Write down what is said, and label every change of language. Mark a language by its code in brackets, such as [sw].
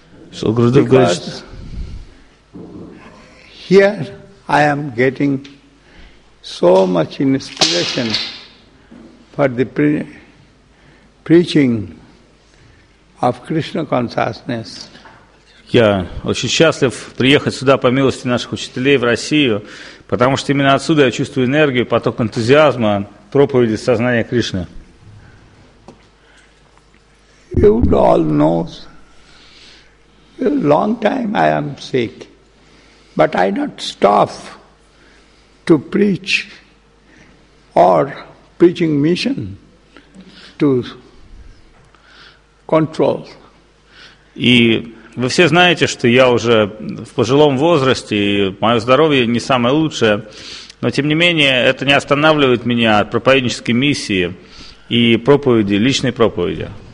[en] So, Gurudev Goswami, here I am getting so much inspiration for the preaching of Krishna consciousness. [ru] Я очень счастлив приехать сюда по милости наших учителей в Россию, потому что именно отсюда я чувствую энергию, поток энтузиазма, проповеди сознания Кришны. [en] You all know, a long time I am sick, but I not stop to preach or preaching mission to control. [ru] И вы все знаете, что я уже в пожилом возрасте, и мое здоровье не самое лучшее, но тем не менее это не останавливает меня от проповеднической миссии и проповеди, личной проповеди.